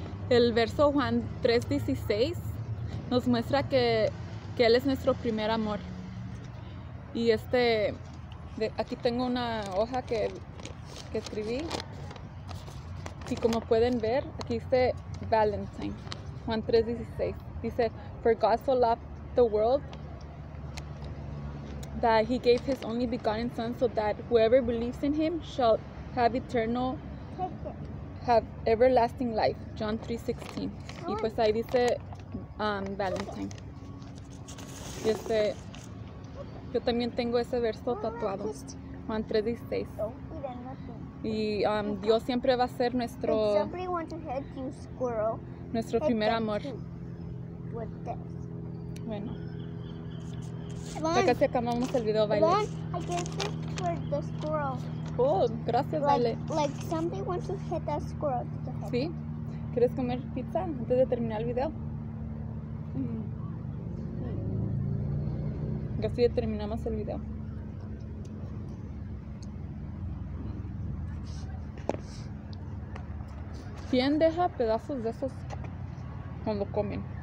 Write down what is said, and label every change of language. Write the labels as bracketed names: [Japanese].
[Spanish] El verso Juan 3:16 nos muestra que Él es nuestro primer amor. Y aquí tengo una hoja que escribí. Y como pueden ver, aquí dice Valentine, Juan 3:16. Dice, [English] for God so loved the world that he gave his only begotten son so that whoever believes in him shall have eternal, have everlasting life. John 3:16. [Spanish] Y pues ahí dice Valentine. Y yo también tengo ese verso tatuado, Juan 3:16. Y Dios siempre va a ser nuestro... [English] Somebody want to hit you, squirrel. [Spanish] Nuestro primer amor. [English] With this. [Spanish] Bueno. Ya casi acabamos el video, Vale. [English] I guess it's for the squirrel. Cool, [Spanish] gracias, [English] like, Vale. Like, somebody wants to hit that squirrel. To hit. [Spanish] ¿Sí? ¿Quieres comer pizza antes de terminar el video? Casi ya terminamos el video. ¿Quién deja pedazos de esos cuando comen?